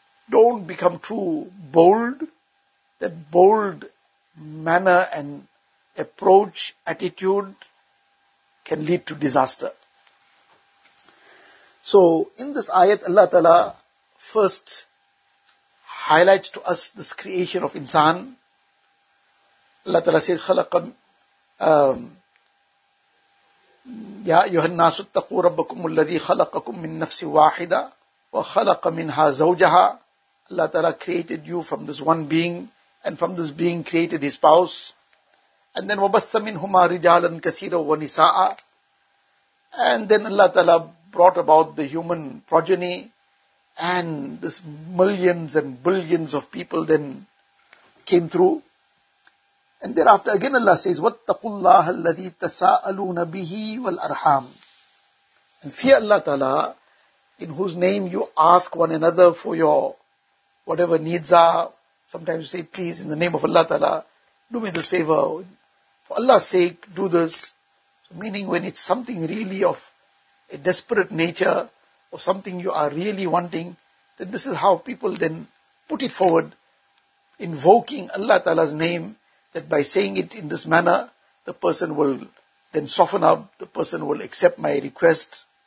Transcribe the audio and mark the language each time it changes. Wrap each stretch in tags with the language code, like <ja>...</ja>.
<en>Don't become too bold. That bold manner and approach, attitude, can lead to disaster. So in this ayat, Allah Ta'ala first highlights to us this creation of insan.</en> <ar>Allah Ta'ala says, خَلَقًا يَا أَيُّهَا النَّاسُ اتَّقُوا رَبَّكُمُ الَّذِي خَلَقَكُم مِّن نَفْسِ وَاحِدَ وَخَلَقَ مِنْهَا زَوْجَهَا.</ar> <en>Allah Ta'ala created you from this one being, and from this being created his spouse. And then</en> <ar>وَبَثَّ مِنْهُمَا رِجَالًا كَثِيرًا وَنِسَاءً.</ar> <en>And then Allah Ta'ala brought about the human progeny, and this millions and billions of people then came through. And thereafter again Allah says,</en> <ar>وَاتَّقُوا اللَّهَ الَّذِي تَسَاءَلُونَ بِهِ وَالْأَرْحَامِ.</ar> <en>And fear Allah Ta'ala, in whose name you ask one another for your whatever needs are. Sometimes you say, please, in the name of Allah Ta'ala, do me this favor. For Allah's sake, do this. So meaning when it's something really of a desperate nature or something you are really wanting, then this is how people then put it forward, invoking Allah Ta'ala's name, that by saying it in this manner, the person will then soften up, the person will accept my request.</en>